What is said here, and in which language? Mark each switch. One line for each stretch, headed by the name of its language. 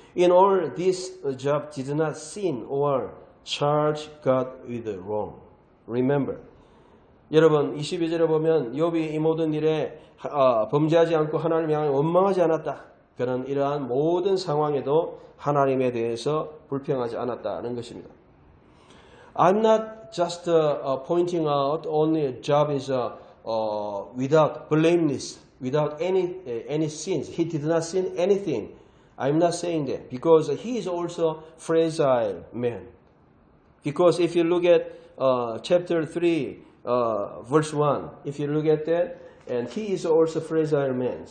English: In all this, Job did not sin or charge God with wrong. Remember.
Korean: 여러분 22절에 보면 욥이 이 모든 일에 범죄하지 않고 하나님을 향해 원망하지 않았다. 그는 이러한 모든 상황에도 하나님에 대해서 불평하지 않았다는 것입니다.
English: I'm not just pointing out only Job is without blameless, without any sins. He did not sin anything. I'm not saying that because he is also fragile man. Because if you look at chapter 3, verse 1, if you look at that, and he is also a fragile man.